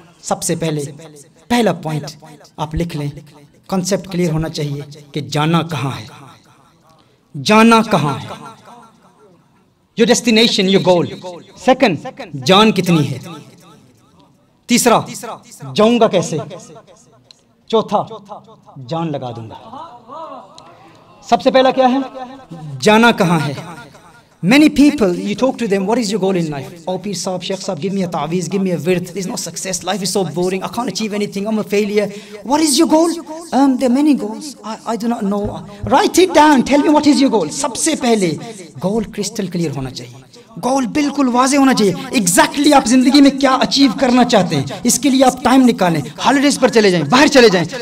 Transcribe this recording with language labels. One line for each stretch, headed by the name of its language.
Urdu: سب سے پہلے پہلا پوائنٹ آپ لکھ لیں, کنسیپٹ کلیئر ہونا چاہیے کہ جانا کہاں ہے, جانا کہاں ہے,
English: Your destination, your goal.
Urdu: Second, جان کتنی ہے. تیسرا, جاؤں گا کیسے. چوتھا, جان لگا دوں گا. سب سے پہلا کیا ہے؟ جانا کہاں ہے.
English: Many people, you talk to them, what is your goal in life?
Urdu: او پیر صاحب, شیخ صاحب,
English: Give me a تعویذ, give me a ورد, there is no success, life is so boring, I can't achieve anything, I am a failure. What is your goal? There many goals, I do not know. Write it down, tell me what is your goal.
Urdu: سب سے پہلے گول crystal clear ہونا چاہیے, گول بالکل واضح ہونا چاہیے. Exactly آپ زندگی میں کیا اچیو کرنا چاہتے ہیں, اس کے لیے آپ ٹائم نکالیں, ہالیڈیز پر چلے جائیں, باہر چلے جائیں.